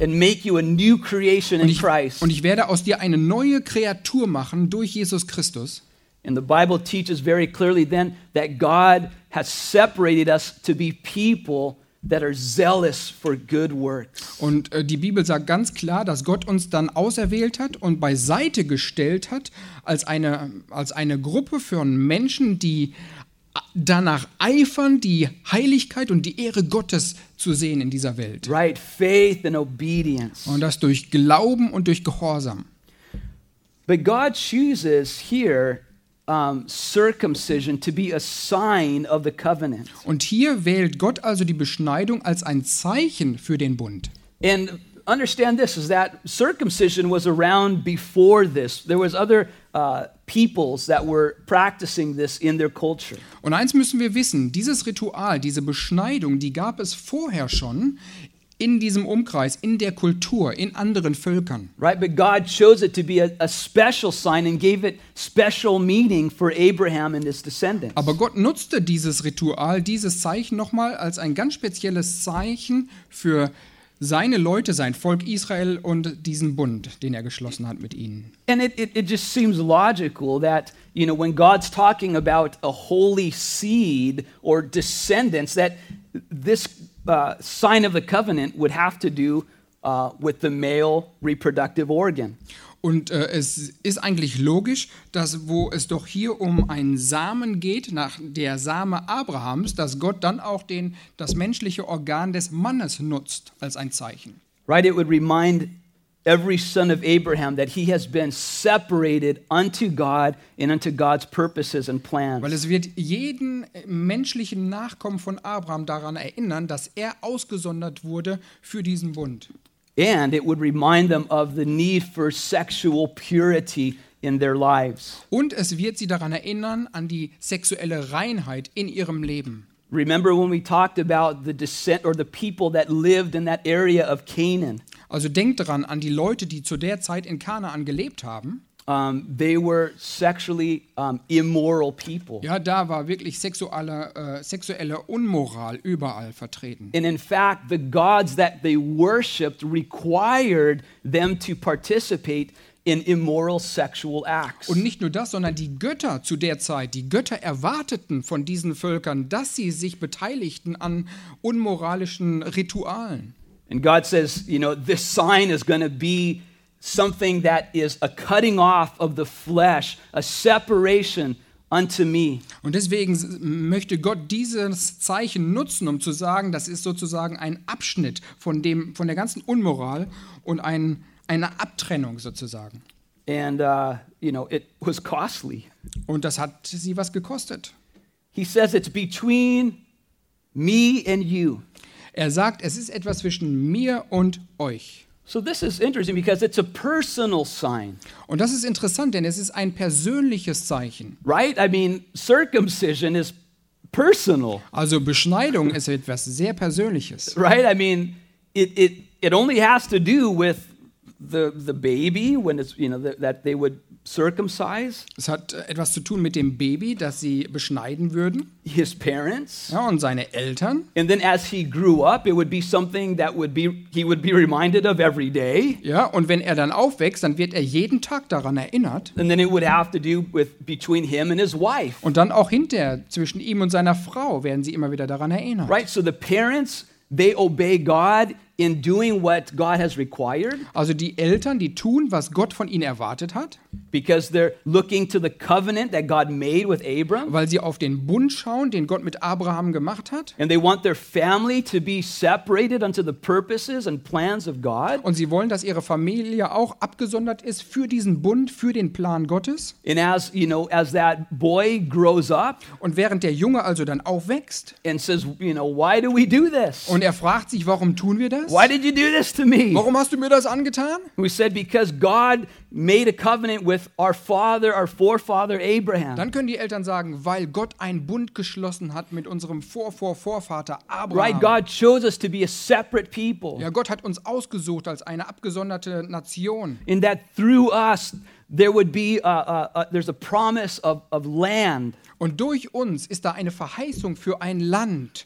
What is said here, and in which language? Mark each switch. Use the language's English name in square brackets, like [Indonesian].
[English] And make you a new creation in Christ. [German] Und ich werde aus dir eine neue Kreatur machen durch Jesus Christus. [English] And the Bible teaches very clearly then that God has separated us to be people that are zealous for good works. [German] Und die Bibel sagt ganz klar, dass Gott uns dann auserwählt hat und beiseite gestellt hat als eine Gruppe von Menschen, die danach eifern, die Heiligkeit und die Ehre Gottes zu sehen in dieser Welt. [English] Right, faith and obedience. [German] Und das durch Glauben und durch Gehorsam. [English] But God chooses here circumcision to be a sign of the covenant. [German] Und hier wählt Gott also die Beschneidung als ein Zeichen für den Bund. [English] And understand this is that circumcision was around before this. There was other peoples that were practicing this in their culture. [German] Und eins müssen wir wissen, dieses Ritual, diese Beschneidung, die gab es vorher schon in diesem Umkreis, in der Kultur, in anderen Völkern. [English] Right, but God chose it to be a special sign and gave it special meaning for Abraham and his descendants. [German] Aber Gott nutzte dieses Ritual, dieses Zeichen nochmal als ein ganz spezielles Zeichen für seine Leute, sein Volk Israel und diesen Bund, den er geschlossen hat mit ihnen. [English] And it just seems logical that, you know, when God's talking about a holy seed or descendants, that this sign of the covenant would have to do with the male reproductive organ. [German] Und es ist eigentlich logisch, dass wo es doch hier um einen Samen geht, nach der Same Abrahams, dass Gott dann auch das menschliche Organ des Mannes nutzt als ein Zeichen. [English] Right, it would remind every son of Abraham that he has been separated unto God and unto God's purposes and plans. [German] Weil es wird jeden menschlichen Nachkommen von Abraham daran erinnern, dass er ausgesondert wurde für diesen Bund. [English] And it would remind them of the need for sexual purity in their lives. [German] Und es wird sie daran erinnern an die sexuelle Reinheit in ihrem Leben. [English] Remember when we talked about the descent or the people that lived in that area of Canaan? [German] Also denkt daran an die Leute, die zu der Zeit in Kanaan gelebt haben. [English] They were sexually immoral people. [German] Ja, da war wirklich sexuelle Unmoral überall vertreten. [English] And in fact, the gods that they worshipped required them to participate in immoral sexual acts. [German] Und nicht nur das, sondern die Götter zu der Zeit, die Götter erwarteten von diesen Völkern, dass sie sich beteiligten an unmoralischen Ritualen. [English] And God says, you know, this sign is going to be something that is a cutting off of the flesh, a separation unto me. [German] Und deswegen möchte Gott dieses Zeichen nutzen, um zu sagen, das ist sozusagen ein Abschnitt von der ganzen Unmoral und eine Abtrennung sozusagen. [English] And you know, it was costly. [German] Und das hat sie was gekostet. [English] He says it's between me and you. [German] Er sagt, es ist etwas zwischen mir und euch. [English] So this is interesting because it's a personal sign. [German] Und das ist interessant, denn es ist ein persönliches Zeichen. [English] Right? I mean, circumcision is personal. [German] Also Beschneidung ist etwas sehr Persönliches. [English] Right? I mean, it only has to do with the baby when it's, you know, that they would circumcise. [German] Es hat etwas zu tun mit dem Baby, das sie beschneiden würden. [English] His parents. [German] Ja, und seine Eltern. [English] And then as he grew up, it would be something that he would be reminded of every day. [German] Ja, und wenn er dann aufwächst, dann wird er jeden Tag daran erinnert. [English] And then it would have to do with between him and his wife. [German] Und dann auch hinterher zwischen ihm und seiner Frau werden sie immer wieder daran erinnert. [English] Right, so the parents, they obey God in doing what God has required. [German] Also die Eltern, die tun, was Gott von ihnen erwartet hat. [English] Because they're looking to the covenant that God made with Abraham. [German] Weil sie auf den Bund schauen, den Gott mit Abraham gemacht hat. [English] And they want their family to be separated unto the purposes and plans of God. [German] Und sie wollen, dass ihre Familie auch abgesondert ist für diesen Bund, für den Plan Gottes. [English] And as you know, as that boy grows up. [German] Und während der Junge also dann aufwächst. [English] And says, you know, why do we do this? [German] Und er fragt sich, warum tun wir das? [English] Why did you do this to me? [German] Warum hast du mir das angetan? [English] We said, because God made a covenant with our father, our forefather Abraham. [German] Dann können die Eltern sagen, weil Gott einen Bund geschlossen hat mit unserem Vorvorvorvater Abraham. [English] Right, God chose us to be a separate people. [German] Ja, Gott hat uns ausgesucht als eine abgesonderte Nation. [English] In that through us there would be there's a promise of land. [German] Und durch uns ist da eine Verheißung für ein Land.